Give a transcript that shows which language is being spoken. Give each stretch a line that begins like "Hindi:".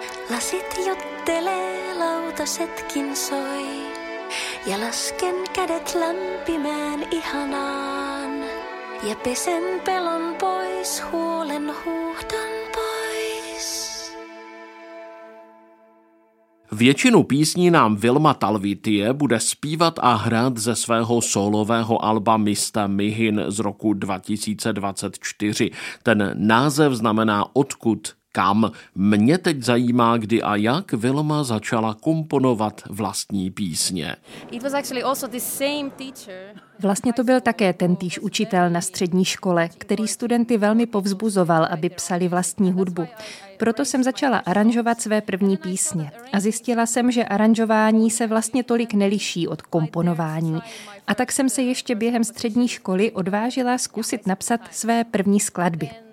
Finnish: Lasit juttelee, lautasetkin soi. Ja lasken kädet lämpimään ihanaan. Ja pesen pelon pois, huolen huuhdan pois.
Czech: Většinu písní nám Vilma Talvitie bude zpívat a hrát ze svého solového alba Mista Mihin z roku 2024. Ten název znamená Odkud, kam. Mě teď zajímá, kdy a jak Vilma začala komponovat vlastní písně.
English: It was actually also the same teacher.
Czech: Vlastně to byl také tentýž učitel na střední škole, který studenty velmi povzbuzoval, aby psali vlastní hudbu. Proto jsem začala aranžovat své první písně a zjistila jsem, že aranžování se vlastně tolik neliší od komponování. A tak jsem se ještě během střední školy odvážila zkusit napsat své první skladby.